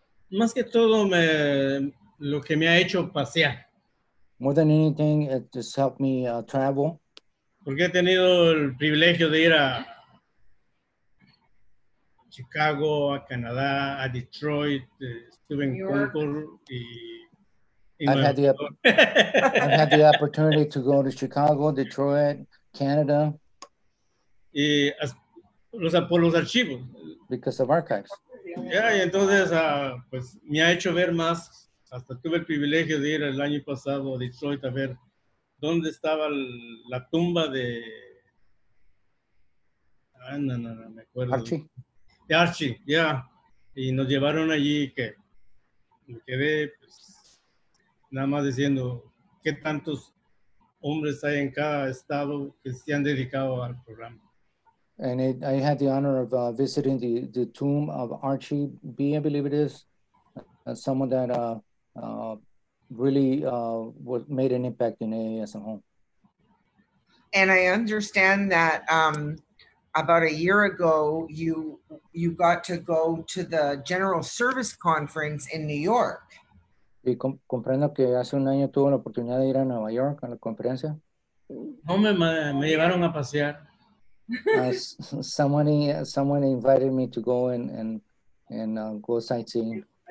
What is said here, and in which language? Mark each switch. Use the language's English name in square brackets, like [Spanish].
[Spanish] Más que todo me lo que me ha hecho pasear. [English] More than anything, it just helped me travel. [Spanish] Porque he tenido el privilegio de ir a Chicago, a Canadá, a Detroit, estuve en Concord y [English] I've had the opportunity to go to Chicago, Detroit, Canada. [Spanish] Y por los archivos. [English] Because of archives. [Spanish] Yeah, y entonces pues me ha hecho ver más. Hasta tuve el privilegio de ir el año pasado a Detroit a ver dónde estaba la tumba de no me acuerdo. Archie. De Archie, ya. Yeah. Y nos llevaron allí que me quedé pues, nada más diciendo qué tantos hombres hay en cada estado que se han dedicado al programa. [English] And I had the honor of visiting the tomb of Archie B, I believe it is, someone that made an impact in AA as a home. And I understand that about a year ago, you got to go to the General Service Conference in New York. [Spanish] Y comprendo que hace un año tuve la oportunidad de ir a Nueva York a la conferencia. Hombre, me llevaron a pasear. [English] Someone invited me to go and go sightseeing.